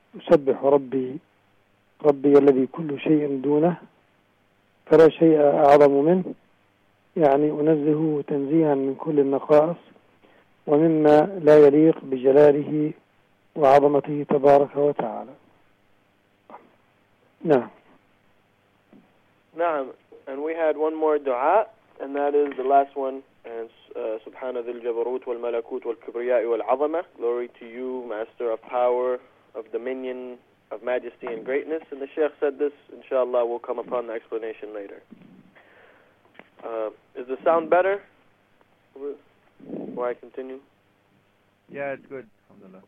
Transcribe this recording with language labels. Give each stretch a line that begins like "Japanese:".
Arabic: أسبح ربي، ربي الذي كل شيء دونه فلا شيء أعظم منه، يعني أنزه تنزيها من كل النقائص ومما لا يليق بجلاله وعظمته تبارك وتعالى. نعم. نعم.
English: And we had one more دعاء, and that is the last one.
Arabic: And سبحان ذي الجبروت والملكوت والكبرياء والعظمة.
English: Glory to you, Master of Power, of Dominion, of Majesty and Greatness. And the Sheikh said this, inshallah, we'll come upon the explanation later. Is the sound better? Before I continue? Yeah, it's good. Alhamdulillah.